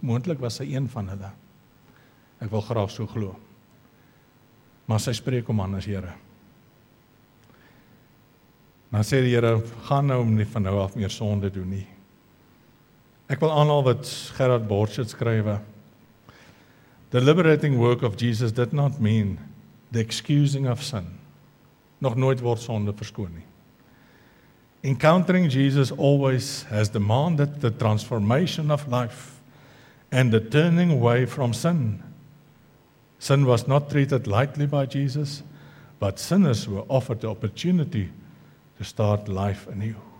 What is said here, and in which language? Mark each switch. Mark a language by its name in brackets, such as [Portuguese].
[Afrikaans] Moontlik was sy een van hulle. Ek wil graag so glo. Maar sy spreek om aan as Here. Maar sê die Here, gaan nou om nie van nou af meer sonde doen nie. Ek wil aanhaal wat Gerard Borchert skrywe. [English] The liberating work of Jesus did not mean the excusing of sin. [Afrikaans] Nog nooit word sonde verskoon nie. [English] Encountering Jesus always has demanded the transformation of life and the turning away from sin. Sin was not treated lightly by Jesus, but sinners were offered the opportunity to start life anew.